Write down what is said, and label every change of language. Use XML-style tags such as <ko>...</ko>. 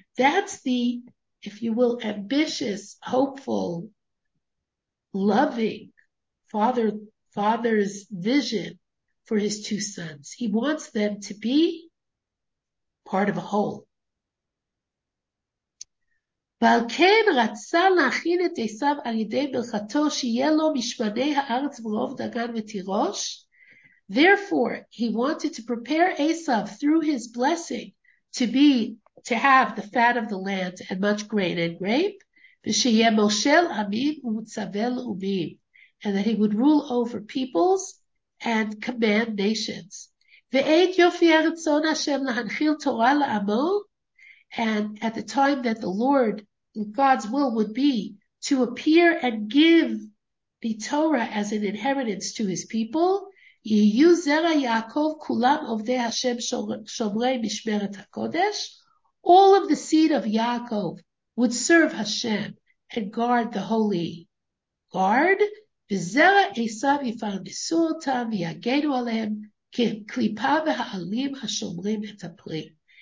<en>That's the, if you will, ambitious, hopeful, loving father's vision for his two sons. He wants them to be part of a whole.</en> <he>ועל כן רצה להכין את עשיו על ידי מלכתו שיהיה לו משמני הארץ ברוב דגן ותירוש.</he> <en>Therefore, he wanted to prepare Esav through his blessing to have the fat of the land and much grain and grape, ושיהיה מושל עמים ומצווה לאומים, and that he would rule over peoples and command nations. ועד יופי הרצון השם להנחיל תורה לעמו, and at the time that the Lord, God's will would be to appear and give the Torah as an inheritance to his people, יהיו זרע יעקב כולם עובדי השם שומרי משמרת הקודש. All of the seed of Yaakov would serve Hashem and guard the holy guard.</en> <he>וזרע עשיו יפרנסו אותם ויגנו עליהם כקליפה והעלים השומרים את הפרי.</he>